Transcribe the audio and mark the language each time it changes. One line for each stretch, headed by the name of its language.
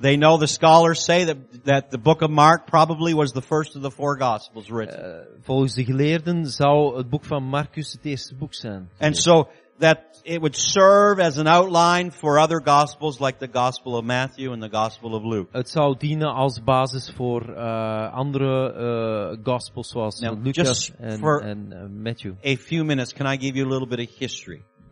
English: They know the scholars say that the book of Mark probably was the first of the four gospels written.
Dutch: Volgens de geleerden zou het boek van Marcus het eerste boek zijn.
English: And so that it would serve as an outline for other gospels like the Gospel of Matthew and the Gospel of Luke.
Dutch: Het zou dienen als basis voor andere gospels zoals Lucas en Matthew.
English: A few minutes, can I give you a little bit of history?